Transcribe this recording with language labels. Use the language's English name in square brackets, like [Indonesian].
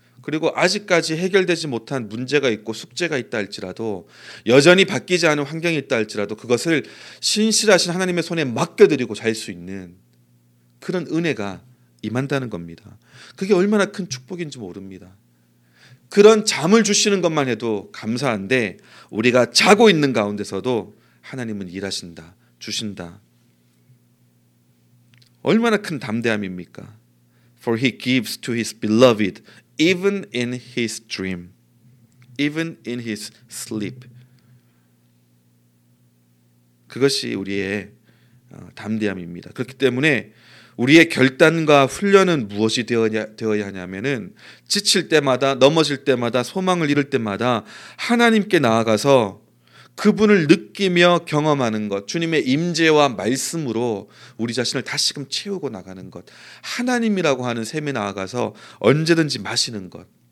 [Korean] 그리고 아직까지 해결되지 못한 문제가 있고 숙제가 있다 할지라도, 여전히 바뀌지 않은 환경이 있다 할지라도 그것을 신실하신 하나님의 손에 맡겨드리고 잘 수 있는 그런 은혜가 임한다는 겁니다. 그게 얼마나 큰 축복인지 모릅니다. 그런 잠을 주시는 것만 해도 감사한데 우리가 자고 있는 가운데서도 하나님은 일하신다, 주신다. 얼마나 큰 담대함입니까? [English] For he gives to his beloved even in his dream, even in his sleep. [Korean] 그것이 우리의 담대함입니다. 그렇기 때문에 우리의 결단과 훈련은 무엇이 되어야 하냐면은 지칠 때마다, 넘어질 때마다, 소망을 잃을 때마다 하나님께 나아가서 그분을 느끼며 경험하는 것, 주님의 임재와 말씀으로 우리 자신을 다시금 채우고 나가는 것, 하나님이라고 하는 샘에 나아가서 언제든지 마시는 것.